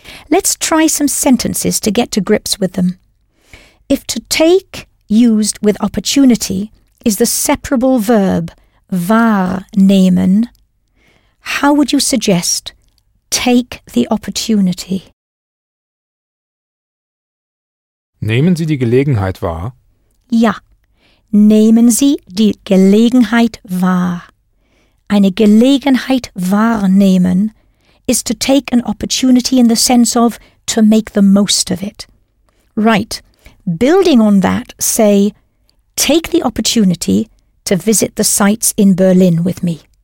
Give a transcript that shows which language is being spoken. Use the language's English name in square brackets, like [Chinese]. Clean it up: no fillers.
[English] Let's try some sentences to get to grips with them. If to take used with opportunity is the separable verb wahrnehmen, how would you suggest take the opportunity? [German] Nehmen Sie die Gelegenheit wahr? Ja. Nehmen Sie die Gelegenheit wahr. Eine Gelegenheit wahrnehmen [English] is to take an opportunity in the sense of to make the most of it. Right. Building on that, say, take the opportunity to visit the sights in Berlin with me.